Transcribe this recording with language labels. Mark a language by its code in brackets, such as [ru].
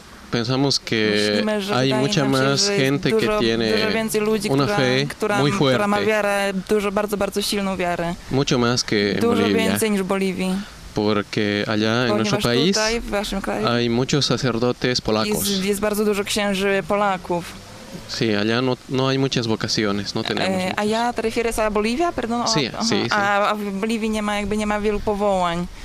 [es] Pensamos que hay mucha más gente que tiene una fe muy fuerte. [pl] Która ma wiarę, dużo, bardzo, bardzo silną wiarę. [es] Mucho más que en Bolivia. Porque allá en nuestro país hay muchos sacerdotes polacos. [pl] Jest bardzo dużo księży Polaków. [es] Sí, allá no hay muchas vocaciones, no tenemos. Allá te refieres a Bolivia, perdón. Sí, sí, sí. [pl] A w Bolivii nie ma wielu powołań.